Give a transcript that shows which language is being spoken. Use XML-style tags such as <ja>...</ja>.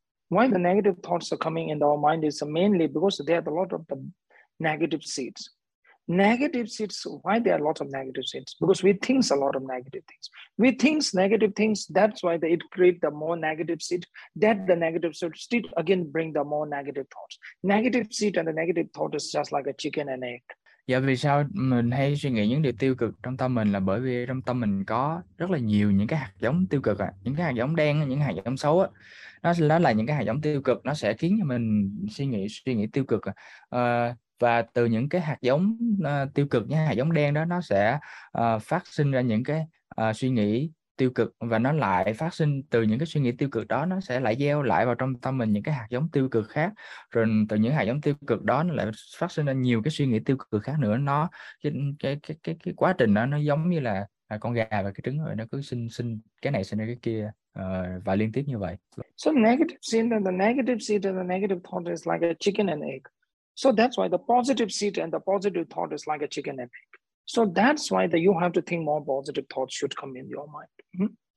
<en>Why the negative thoughts are coming in our mind is mainly because there are a lot of the negative seeds. Negative seeds, why there are lots of negative seeds? Because we think a lot of negative things. We think negative things, that's why it creates the more negative seed. That the negative seed again bring the more negative thoughts. Negative seed and the negative thought is just like a chicken and egg.</en> <vi>Dạ, vì sao mình hay suy nghĩ những điều tiêu cực trong tâm mình là bởi vì trong tâm mình có rất là nhiều những cái hạt giống tiêu cực ạ. Những cái hạt giống đen, những hạt giống xấu á. Nó là những cái hạt giống tiêu cực, nó sẽ khiến cho mình suy nghĩ tiêu cực ạ. Và từ những cái hạt giống tiêu cực, những hạt giống đen đó, nó sẽ phát sinh ra những cái suy nghĩ tiêu cực. Và nó lại phát sinh từ những cái suy nghĩ tiêu cực đó, nó sẽ lại gieo lại vào trong tâm mình những cái hạt giống tiêu cực khác. Rồi từ những hạt giống tiêu cực đó, nó lại phát sinh ra nhiều cái suy nghĩ tiêu cực khác nữa. Nó cái quá trình đó nó giống như là con gà và cái trứng, rồi nó cứ sinh cái này sinh ra cái kia. Và liên tiếp như vậy.</vi> <en>So negative seed and the negative thought is like a chicken and egg. So that's why the positive seed and the positive thought is like a chicken and egg. So that's why you have to think more positive thoughts should come in your mind.</en>